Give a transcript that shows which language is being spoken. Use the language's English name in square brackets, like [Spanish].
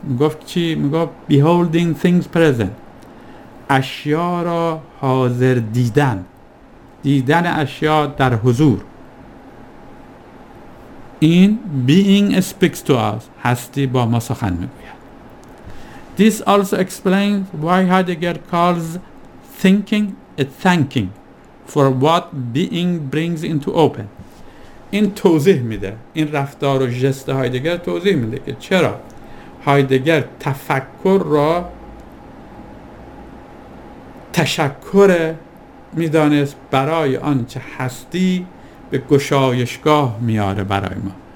[Persian] میگفت چی؟ میگفت [English] beholding things present، [Persian] اشیا را حاضر دیدن، دیدن اشیا در حضور. این [English] being speaks to us، [Persian] هستی با ما سخن میگوید. [English] This also explains why Heidegger calls thinking a thanking for what being brings into open. [Persian] این توضیح میده، این رفتار و ژست هایدگر توضیح میده که چرا هایدگر تفکر را تشکر میدانست برای آنچه هستی به گشایشگاه میاره برای ما.